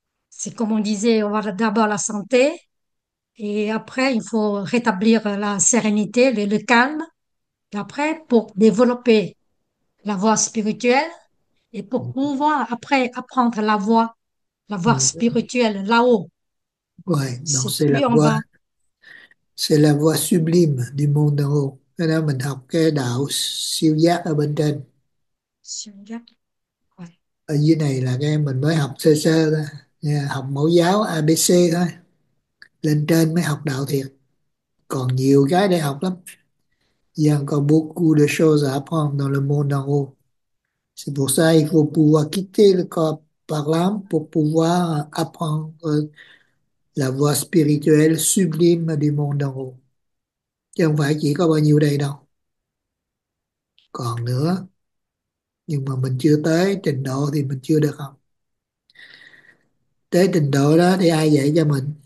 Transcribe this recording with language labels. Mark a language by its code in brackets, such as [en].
[fr] C'est comme on disait, on va d'abord la santé, et après, il faut rétablir la sérénité, le calme, et après, pour développer la voie spirituelle, et pour pouvoir après apprendre la voie spirituelle là-haut. Ouais, donc C'est plus en bas. c'est la voie sublime du monde en haut. [vi] Cái đó mình học cái đạo siêu giác ở bên trên. Ở dưới này là cái em mình mới học sơ sơ thôi, học mẫu giáo ABC thôi. Lên trên mới học đạo thiệt. Còn nhiều cái để học lắm. [fr] Il y a encore beaucoup de choses à apprendre dans le monde en haut. C'est pour ça qu'il faut pouvoir quitter le corps par l'âme pour pouvoir apprendre la voie spirituelle sublime du monde en haut. [vi] Chứ không phải chỉ có bao nhiêu đây đâu. Còn nữa, nhưng mà mình chưa tới trình độ thì mình chưa được học. Tới trình độ đó thì ai dạy cho mình?